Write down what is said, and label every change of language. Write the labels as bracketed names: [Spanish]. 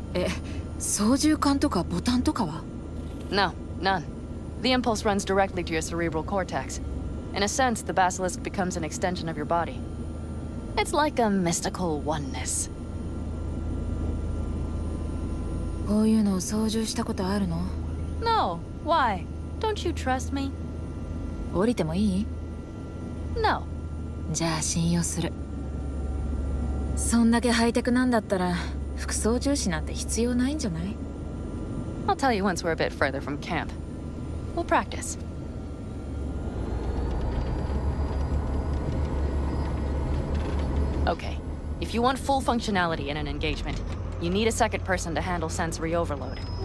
[Japanese] え、操縦桿とかボタンとかは? [English] No, none. The impulse runs directly to your cerebral cortex. In a sense, the basilisk becomes an extension of your body. It's like a mystical oneness. [Japanese] こういうのを操縦したことあるの? [English] No, why? Don't you trust me? [Japanese] 降りてもいい? [English] No. [Japanese] じゃあ信用する。そんだけハイテクなんだったら、副操縦士なんて必要ないんじゃない? [English] I'll tell you once we're a bit further from camp. We'll practice. Okay, if you want full functionality in an engagement, you need a second person to handle sensory overload.